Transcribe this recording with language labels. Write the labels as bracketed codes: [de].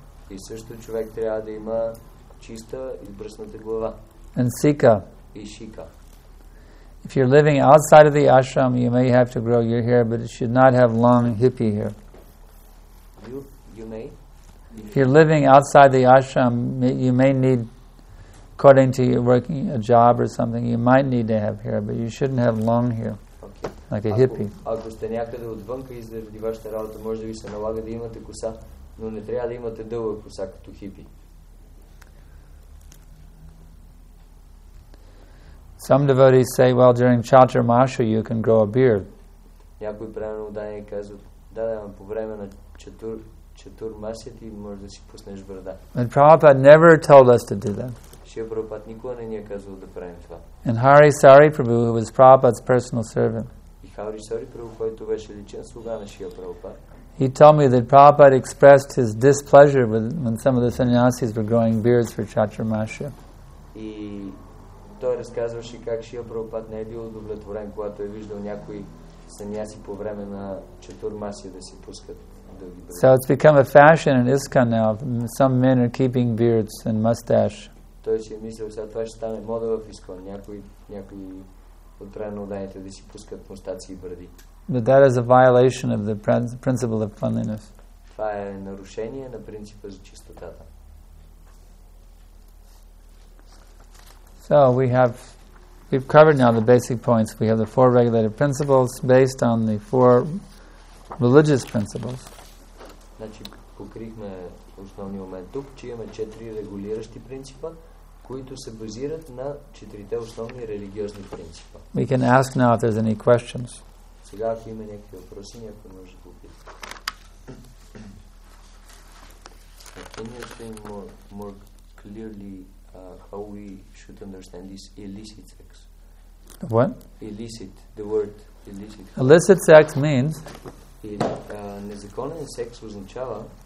[bg] И също човек трябва да има чиста и избръсната глава. [en] And sika. [bg] И шика. [en] If you're living outside of the ashram, you may have to grow your hair, but it should not have long hippie hair. You may. If you're living outside the ashram, you may need, according to your working a job or something, you might need to have hair, but you shouldn't have long hair, okay, like a hippie. [bg] Ако сте някъде отвънка и заради вашата работа, може да ви се налага да имате коса, но не трябва да имате дълга коса като хипи. [en] Some devotees say, well, during Chaturmasha you can grow a beard. [bg] Някои правилно дани казват, да, по време на Чатурмаша ти може да си пуснеш брада. [en] And Prabhupada never told us to do that. [bg] Шрила Прабхупада никога не ни е казал да правим това. [en] And Hari Sari Prabhu, who was Prabhupada's personal servant, [bg] и Хари Сари Прабху, който беше личен слуга на Шрила Прабхупада, [en] he told me that Prabhupada expressed his displeasure when some of the sannyasis were growing beards for Chaturmasha. [bg] И той разказваше как Шрила Прабхупада не е бил удовлетворен, когато е виждал някои саньяси по време на Чатурмаса да си пускат. [en] So it's become a fashion in ISKCON now. Some men are keeping beards and mustache. [bg] Той си е мислил, сега това ще стане мода в ИСКОН. Някои от правилно отданите да си пускат мустаци и бради. [en] But that is a violation of the principle of cleanliness. [bg] Това е нарушение на принципа за чистотата. [en] So we've covered now the basic points. We have the four regulative principles based on the four religious principles. [bg] Значи покрихме основния момент тук, че имаме четири регулиращи принципа, които се базират на четирите основни религиозни принципа. [en] We can ask now if there's any questions. [bg] Сега ако има някакви въпроси, някой може да попита. [en] Can you explain more clearly how we should understand this illicit sex? What? Illicit, the word illicit. Illicit sex means? [bg] Незаконен секс означава,